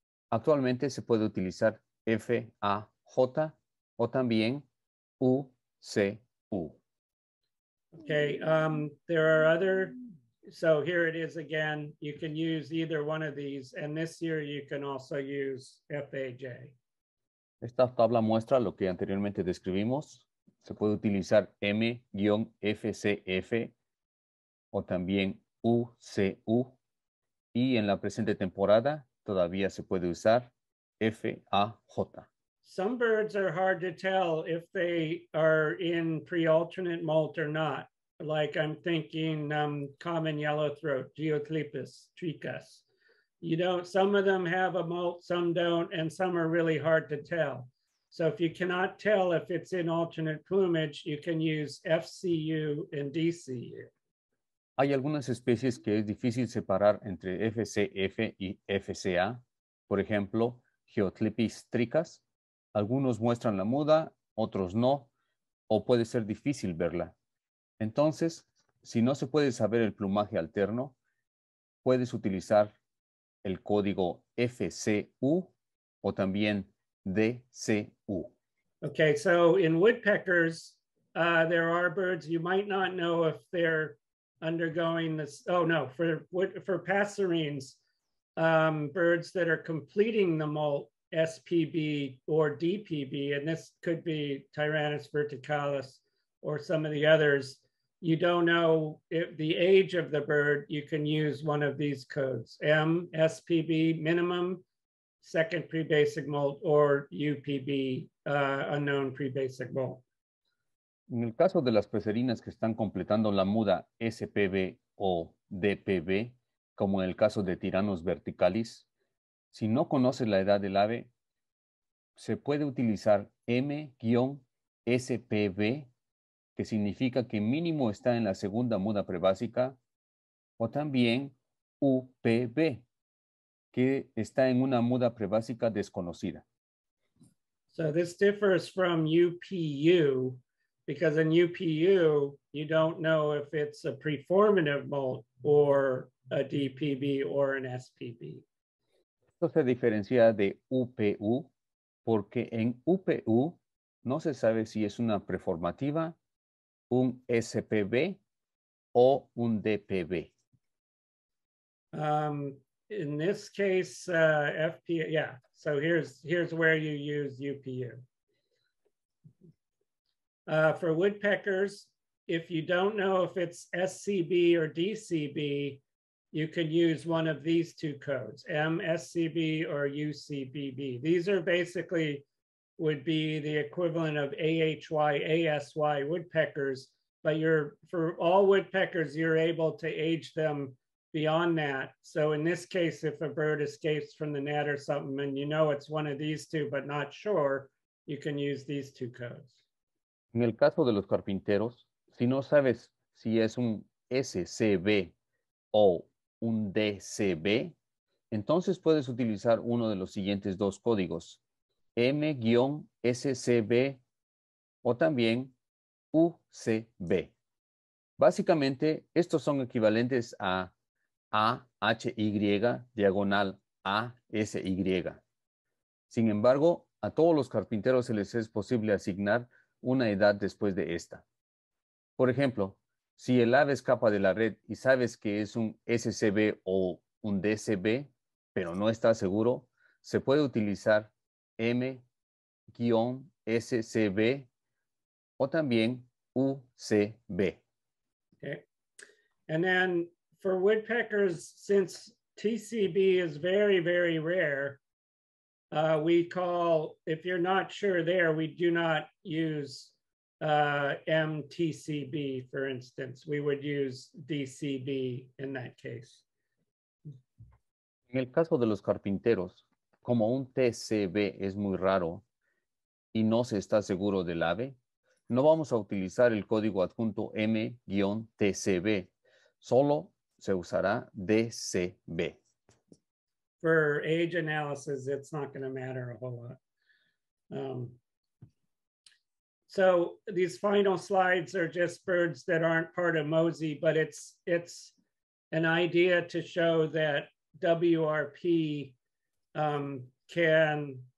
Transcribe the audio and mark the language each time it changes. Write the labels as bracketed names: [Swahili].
[Spanish] Actualmente se puede utilizar FAJ o también M-O-S-I-C-U. [English] Okay, there are other, so here it is again. You can use either one of these, and this year you can also use FAJ. [Spanish] Esta tabla muestra lo que anteriormente describimos. Se puede utilizar M-FCF o también UCU. Y en la presente temporada todavía se puede usar FAJ. [English] Some birds are hard to tell if they are in pre-alternate molt or not. Like I'm thinking common yellowthroat, Geoclepis, Trichus. You don't, some of them have a molt, some don't, and some are really hard to tell. So if you cannot tell if it's in alternate plumage, you can use FCU and DCU. [Spanish] Hay algunas especies que es difícil separar entre FCF y FCA. Por ejemplo, Geoclepis Trichus. Algunos muestran la muda, otros no, o puede ser difícil verla. Entonces, si no se puede saber el plumaje alterno, puedes utilizar el código FCU o también DCU. [English] Okay, so in woodpeckers, there are birds you might not know if they're undergoing this. Oh no, for passerines, birds that are completing the molt, SPB or DPB, and this could be Tyrannus verticalis or some of the others. You don't know if the age of the bird, you can use one of these codes, M, SPB, minimum, second prebasic molt, or UPB, unknown prebasic molt. [Spanish] En el caso de las peserinas que están completando la muda SPB o DPB, como en el caso de Tyrannus verticalis, si no conoces la edad del ave, se puede utilizar M-SPB, que significa que mínimo está en la segunda muda prebásica, o también UPB, que está en una muda prebásica desconocida. [English] So this differs from UPU, because in UPU, you don't know if it's a preformative molt or a DPB or an SPB. [Spanish] Esto se diferencia de UPU porque en UPU no se sabe si es una preformativa, un SPB o un DPB. [English] In this case, FP, yeah. So here's where you use UPU. For woodpeckers, if you don't know if it's SCB or DCB, you can use one of these two codes, MSCB or UCBB. These are basically would be the equivalent of AHY, ASY woodpeckers, but you're for all woodpeckers, you're able to age them beyond that. So in this case, if a bird escapes from the net or something and you know it's one of these two, but not sure, you can use these two codes. [Spanish] En el caso de los carpinteros, si no sabes si es un SCB o un DCB, entonces puedes utilizar uno de los siguientes dos códigos, M-SCB o también UCB. Básicamente, estos son equivalentes a AHY diagonal ASY. Sin embargo, a todos los carpinteros se les es posible asignar una edad después de esta. Por ejemplo, si el ave escapa de la red y sabes que es un SCB o un DCB, pero no estás seguro, se puede utilizar M-SCB o también UCB. [English] Okay. And then for woodpeckers, since TCB is very, very rare, we call, if you're not sure there, we do not use MTCB, for instance, we would use DCB in that case. [Spanish] En el caso de los carpinteros, como un TCB es muy raro y no se está seguro del ave, no vamos a utilizar el código adjunto M-TCB, solo se usará DCB. [English] For age analysis, it's not going to matter a whole lot. So these final slides are just birds that aren't part of MoSI, but it's an idea to show that WRP can